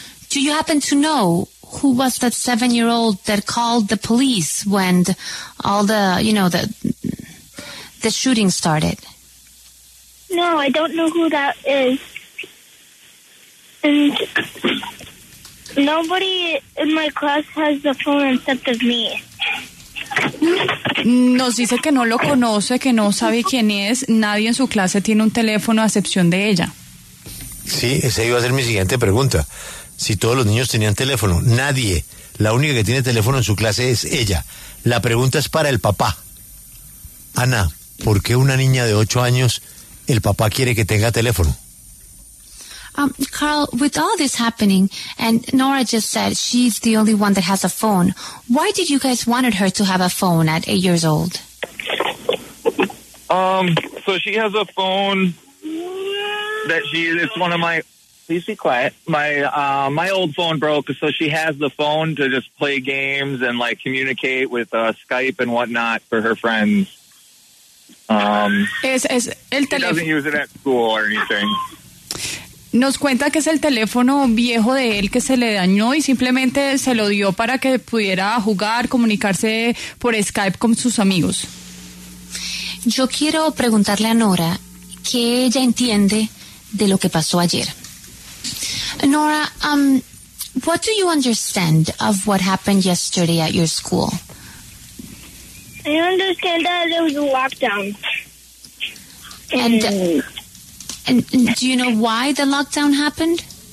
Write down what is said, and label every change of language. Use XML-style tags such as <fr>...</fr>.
<en>Do you happen to know who was that 7-year-old that called the police when all the, you know, the shooting started? No, I don't know who that is. And nobody in my class has the phone except of me.</en> <es>Nos dice que no lo conoce, que no sabe quién es. Nadie en su clase tiene un teléfono a excepción de ella. Sí, esa iba a ser mi siguiente pregunta. Si todos los niños tenían teléfono, nadie. La única que tiene teléfono en su clase es ella. La pregunta es para el papá. Ana, ¿por qué una niña de 8 años, el papá quiere que tenga teléfono?</es> <en>Carl, with all this happening, and Nora just said she's the only one that has a phone, why did you guys wanted her to have a phone at 8 years old? So she has a phone that she, it's one of my, please be quiet, my old phone broke, so she has the phone to just play games and, like, communicate with Skype and whatnot for her friends. She doesn't use it at school or anything.</en> <es>Nos cuenta que es el teléfono viejo de él que se le dañó y simplemente se lo dio para que pudiera jugar, comunicarse por Skype con sus amigos. Yo quiero preguntarle a Nora qué ella entiende de lo que pasó ayer.</es> <en>Nora, what do you understand of what happened yesterday at your school? I understand that there was a lockdown. And do you know why the lockdown happened?</en>